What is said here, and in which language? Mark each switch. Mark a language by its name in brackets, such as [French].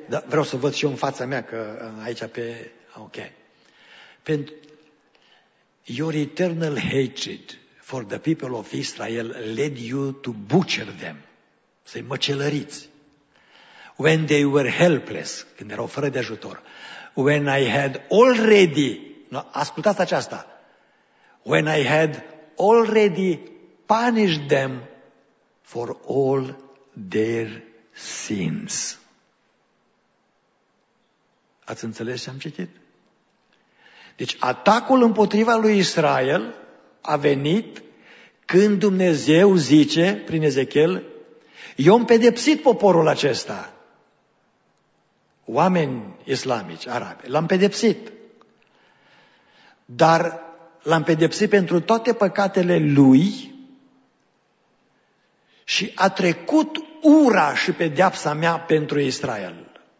[Romanian] Da, vreau să văd și eu în fața mea, că aici pe... Ok. [English] Your eternal hatred for the people of Israel led you to butcher them. [Romanian] Să-i măcelăriți. [English] When they were helpless, [Romanian] când erau fără de ajutor. [English] When I had already... No, [Romanian] ascultați aceasta. [English] When I had already punished them for all their sins. [Romanian] Ați înțeles ce am citit? Deci atacul împotriva lui Israel a venit când Dumnezeu zice, prin Ezechiel, eu am pedepsit poporul acesta. Oameni islamici, arabi, l-am pedepsit. Dar l-am pedepsit pentru toate păcatele lui și a trecut ura și pedeapsa mea pentru Israel.